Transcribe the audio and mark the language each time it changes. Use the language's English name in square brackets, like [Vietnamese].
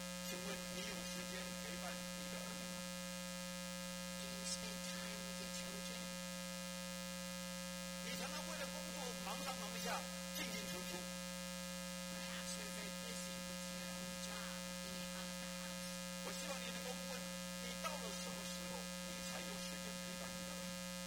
[Chinese] 请问你有时间陪伴你的儿女吗？ [English] Do you spend time with your children？ [Chinese] 你常常为了工作忙上忙下，进进出出。 [English] Perhaps you're very busy with your own job being out of the house。 [Chinese] 我希望你能够问，你到了什么时候，你才有时间陪伴你的儿女？